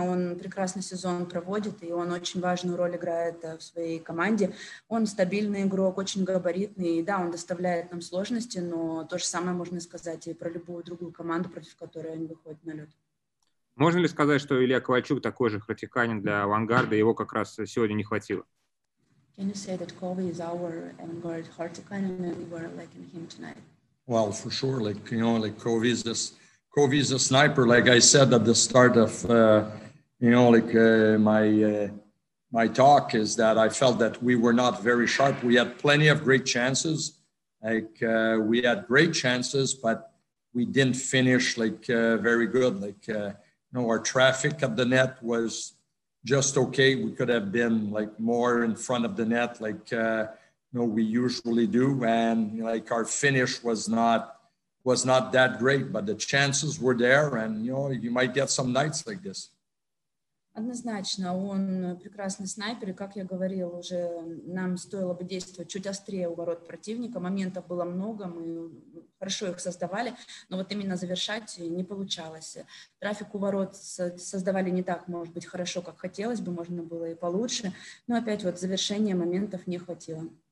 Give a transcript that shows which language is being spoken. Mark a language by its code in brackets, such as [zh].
[ru] Он прекрасный сезон проводит, и он очень важную роль играет в своей команде. Он стабильный игрок, очень габаритный. И да, он доставляет нам сложности, но то же самое можно сказать и про любую другую команду, против которой он выходит на лед. Можно ли сказать, что Илья Ковальчук такой же Хартиканин для «Авангарда», его как раз сегодня не хватило? [en] Can you say that Kobe is our avant-garde Hartikainen and we're liking him tonight? Well, for sure. Like, you know, like Kobe's a sniper. Like I said at the start of my talk is that I felt that we were not very sharp. We had plenty of great chances. Like we had great chances, but we didn't finish like very good. Like no, our traffic at the net was just okay. We could have been like more in front of the net, like we usually do. And like our finish was not that great, but the chances were there. And you know, you might get some nights like this. [ru] Однозначно, он прекрасный снайпер, и, как я говорила уже, нам стоило бы действовать чуть острее у ворот противника. Моментов было много, мы хорошо их создавали, но вот именно завершать не получалось. Трафик у ворот создавали не так, может быть, хорошо, как хотелось бы, можно было и получше, но опять вот завершения моментов не хватило.